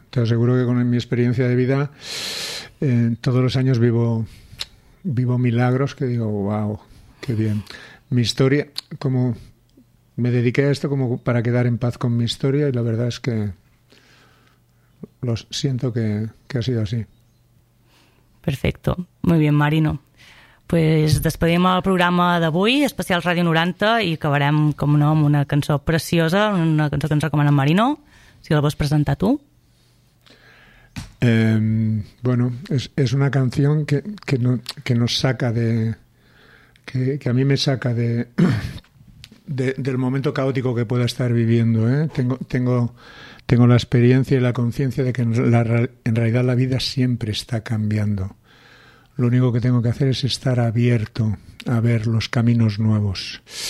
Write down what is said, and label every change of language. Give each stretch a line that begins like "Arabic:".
Spanish: Te aseguro que con mi experiencia de vida, todos los años vivo milagros que digo, wow, qué bien. Mi historia, como me dediqué a esto como para quedar en paz con mi historia, y la verdad es que lo siento que ha sido así. Perfecto. Muy bien, Marino.
Catalan: Pues despedim el programa d'avui, especial Ràdio 90, i acabarem, com no, amb una cançó preciosa, una cançó que ens recomana en Marino, si la vols presentar tu.
Spanish: Bueno,
Catalan: és una canció
Spanish: que no saca de... que a mi me saca de... del momento caótico que pueda estar viviendo, ¿eh? Tengo la experiencia y la conciencia de que en realidad la vida siempre está cambiando. Lo único que tengo que hacer es estar abierto a ver los caminos nuevos.